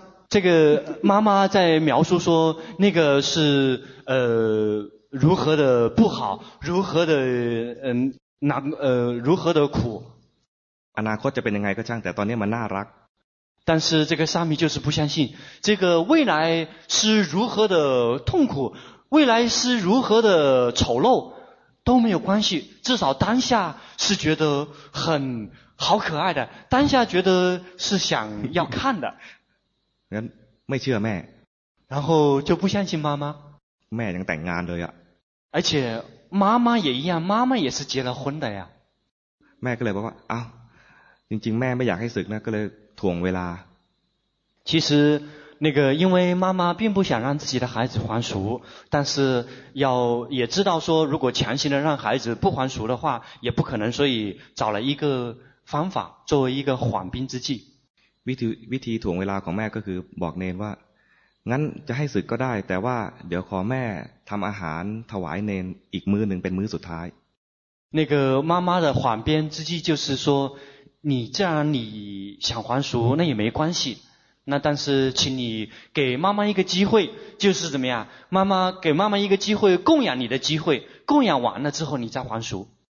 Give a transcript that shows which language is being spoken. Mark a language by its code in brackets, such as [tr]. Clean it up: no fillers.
[zh] 这个妈妈在描述说那个是如何的不好如何的难如何的苦 [th] อนาคตจะเป็นยังไงก็ช่างแต่ตอนนี้มันน่ารัก [zh] 但是这个沙弥就是不相信这个未来是如何的痛苦未来是如何的丑陋都没有关系至少当下是觉得很好可爱的当下觉得是想要看的 [th] ไม่เชื่อแม่ [zh] 然后就不相信妈妈 [th] แม่ยังแต่งงานเลยอ่ะ [zh] 而且妈妈也一样妈妈也是结了婚的呀 [th] แม่ก็เลยบอกว่าอ้าวจริงๆแม่ไม่อยากให้ศึกนะก็เลยถ่วงเวลา [zh] 其实那个因为妈妈并不想让自己的孩子还俗，但是要也知道说如果强行的让孩子不还俗的话也不可能，所以找了一个方法作为一个缓兵之计。 [th] วิธีถ่วงเวลาของแม่ก็คือบอกเนนว่างั้นจะให้ศึกก็ได้แต่ว่าเดี๋ยวขอแม่ทำอาหารถวายเนนอีกมือหนึ่งเป็นมือสุดท้าย [zh] 那个妈妈的缓兵之计就是说你既然你想还俗那也没关系，那但是请你给妈妈一个机会，就是怎么样，妈妈给妈妈一个机会供养你的机会，供养完了之后你再还俗。